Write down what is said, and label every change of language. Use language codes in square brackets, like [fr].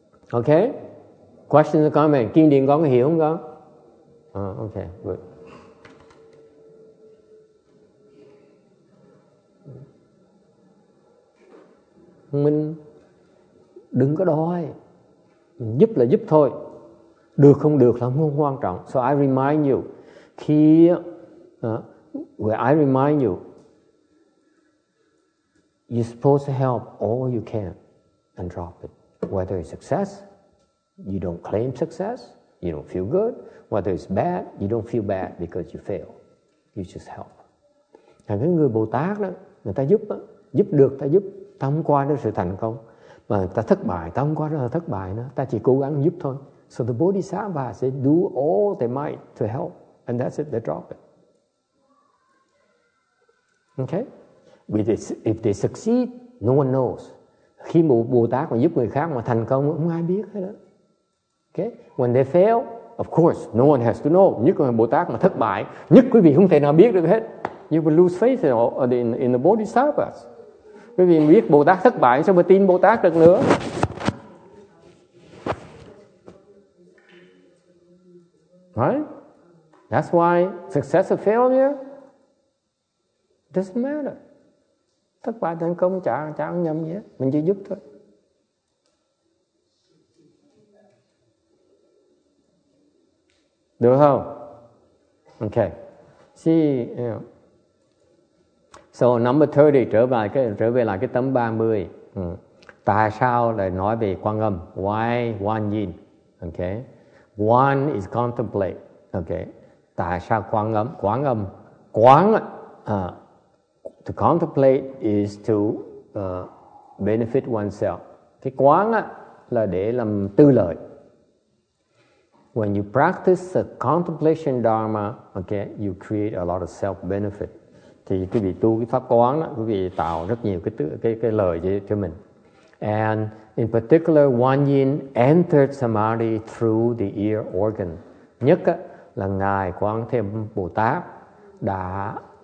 [en] Okay? Questions or comments? [vi] Kiên điện có hiểu không con? [en] Okay, good. [vi] Mình đừng có đòi. Mình giúp là giúp thôi. Được không được là không quan trọng. [en] So I remind you. Khi... Where I remind you, you're supposed to help all you can and drop it. Whether it's success, you don't claim success, you don't feel good. Whether it's bad, you don't feel bad because you fail. You just help. [vi] Thành cái người Bồ Tát đó, người ta giúp đó, giúp được ta giúp, ta không qua đó sự thành công. Mà ta thất bại, ta không qua đó là thất bại nữa, ta chỉ cố gắng giúp thôi. [en] So the Bodhisattva sẽ do all they might to help, and that's it, they drop it. Okay, if they succeed, no one knows. [vi] Khi một Bồ Tát mà giúp người khác mà thành công, không ai biết hết đó. [en] Okay, when they fail, of course, no one has to know. [vi] Nhất là Bồ Tát mà thất bại, nhất quý vị không thể nào biết được hết. [en] You will lose faith in the Bodhisattvas. [vi] Quý vị biết Bồ Tát thất bại, sao mà tin Bồ Tát được nữa? [en] Right? That's why success or failure. Doesn't matter. [vi] Thất bại thành công chả không nhầm gì hết. Mình chỉ giúp thôi. Được không? [en] Okay. See, you know. So number 30, [vi] trở về lại cái tấm 30. Tại sao lại nói về Quan Âm? [en] Why one yin? Okay. One is contemplate. Okay. [vi] Tại sao Quan Âm? [en] Quan Âm. Quán ạ. To contemplate is to benefit oneself. [vi] Cái quán á, là để làm tư lợi. [en] When you practice the contemplation dharma, okay, you create a lot of self-benefit. [vi] Thì quý vị tu cái pháp quán á, quý vị tạo rất nhiều cái lợi cho mình. [en] And in particular, one yin entered samadhi through the ear organ. [vi] Nhất á, là Ngài Quán Thế Âm Bồ Tát đã...